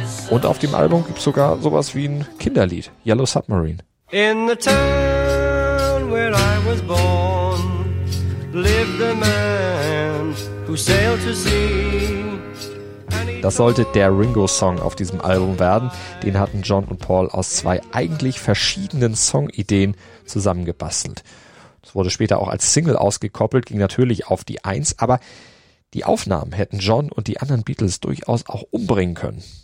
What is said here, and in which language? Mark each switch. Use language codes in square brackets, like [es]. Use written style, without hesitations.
[de] Und auf dem Album gibt's sogar sowas wie ein Kinderlied, Yellow Submarine. [en] In the town where I was born, lived a man who sailed to sea. [de] Das sollte der Ringo-Song auf diesem Album werden. Den hatten John und Paul aus zwei eigentlich verschiedenen Songideen zusammengebastelt. Das wurde später auch als Single ausgekoppelt, ging natürlich auf die Eins, aber die Aufnahmen hätten John und die anderen Beatles durchaus auch umbringen können.